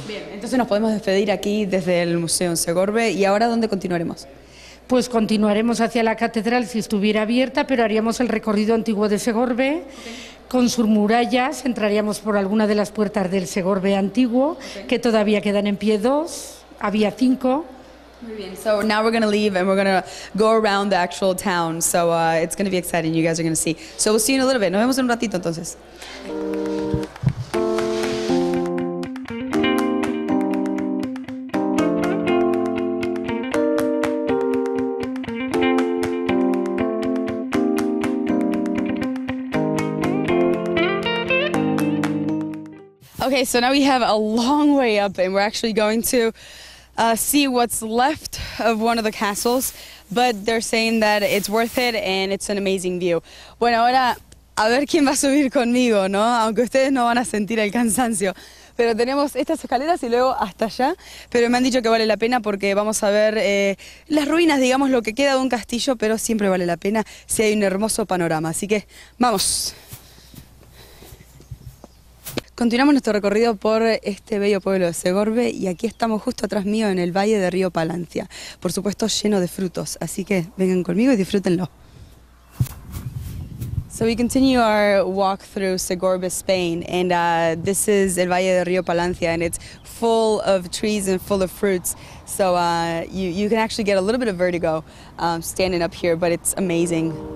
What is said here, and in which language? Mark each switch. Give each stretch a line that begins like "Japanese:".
Spanish: Bien, entonces nos podemos despedir aquí desde el museo en Segorbe, ¿y ahora dónde continuaremos? Pues continuaremos hacia la catedral si estuviera abierta, pero haríamos el recorrido antiguo de Segorbe. Okay. Con sus murallas entraríamos por alguna de las puertas del Segorbe antiguo, okay, que todavía quedan en pie dos, había cinco. Muy bien.
English: So now we're going to leave and we're going to go around the actual town. So it's going to be exciting, you guys are going to see. So we'll see you in a little bit.
Spanish: Nos vemos en un ratito entonces.
English: Okay, so now we have a long way up and we're actually going to see what's left of one of the castles, but they're saying that it's worth it and it's an amazing view.
Spanish: Bueno, ahora a ver quién va a subir conmigo, ¿no? Aunque ustedes no van a sentir el cansancio, pero tenemos estas escaleras y luego hasta allá, pero me han dicho que vale la pena porque vamos a ver las ruinas, digamos, lo que queda de un castillo, pero siempre vale la pena si hay un hermoso panorama, así que vamos. Continuamos nuestro recorrido por este bello pueblo de Segorbe y aquí estamos justo atrás mío en el valle de Río Palancia. Por supuesto lleno de frutos, así que vengan conmigo y disfrútenlo.
English: So we continue our walk through Segorbe, Spain, and this is el valle de Río Palancia and it's full of trees and full of fruits. So you can actually get a little bit of vertigo standing up here, but it's amazing.